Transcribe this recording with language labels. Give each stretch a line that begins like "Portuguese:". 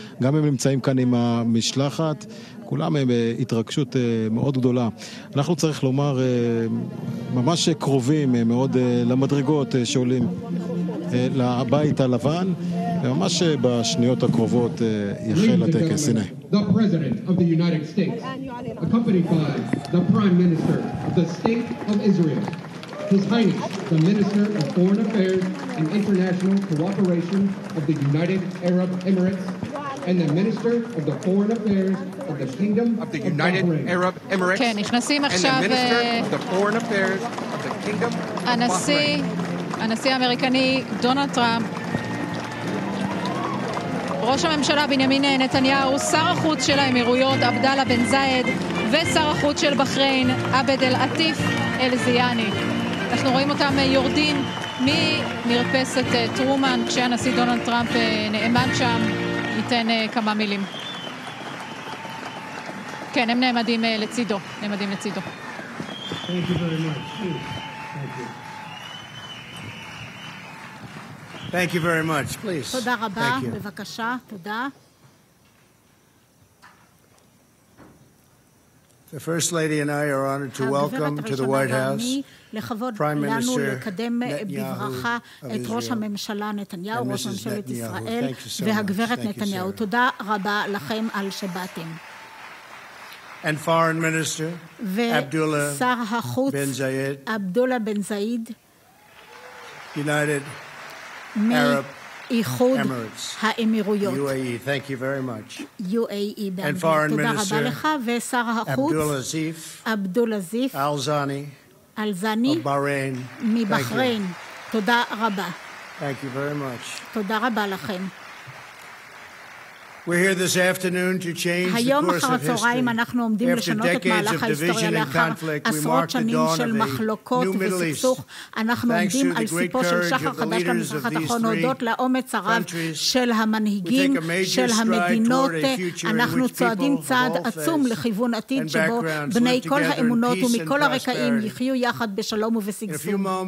Hebrew: גם הם נמצאים כאן עם המשלחת, כולם הם בהתרגשות מאוד גדולה. אנחנו צריך לומר, ממש קרובים מאוד למדרגות שעולים לבית הלבן, וממש בשניות הקרובות יחל הטקס, הנה.
English: The President of the United States, accompanied by the Prime Minister of the State of Israel. His Highness, the Minister of Foreign Affairs and International Cooperation of the United Arab Emirates, and the Minister of the Foreign Affairs of the Kingdom of the United Arab Emirates,
Hebrew: כן, נכנסים עכשיו,
English: and the Minister of the Foreign Affairs of the Kingdom of Bahrain.
Hebrew: הנשיא האמריקני דונלד טראמפ, ראש הממשלה בנימין נתניהו, שר החוץ של האמירויות עבדאללה בן זייד, ושר החוץ של בחריין עבד אל עטיף אל זיאני. אנחנו רואים אותם יורדים ממרפסת טרומן, כשהנשיא דונלד טראמפ נעמד שם, ייתן כמה מילים. כן, הם נעמדים לצידו, נעמדים לצידו.
English: Thank you very much. Please.
Hebrew: תודה רבה. בבקשה. תודה.
English: The First Lady and I are honored to welcome to the White House Prime Minister Netanyahu
Hebrew: את ראש הממשלה נתניהו, ראש ממשלת ישראל, והגברת נתניהו. תודה רבה לכם על שבאתם.
English: And Foreign Minister Abdullah Bin Zayed. Abdullah Bin Zayed. United
Hebrew: מאיחוד האמירויות.
English: UAE, thank you very much.
Hebrew: UAE, תודה רבה לך. ושר החוץ, אבדול עזיף, אלזני, מבחריין. תודה רבה.
English: Thank you very much.
Hebrew: תודה רבה לכם.
English: We're here this afternoon to change the course of history.
Hebrew: אנחנו עומדים לשנות את מהלך ההיסטוריה לאחר עשרות שנים של מחלוקות וסכסוך. אנחנו עומדים על סיפו של שחר חדש למזרח התיכון, הודות לאומץ הרב של המנהיגים של המדינות. אנחנו צועדים צעד עצום לכיוון עתיד שבו בני כל האמונות ומכל הרקעים יחיו יחד בשלום ובשגשוג.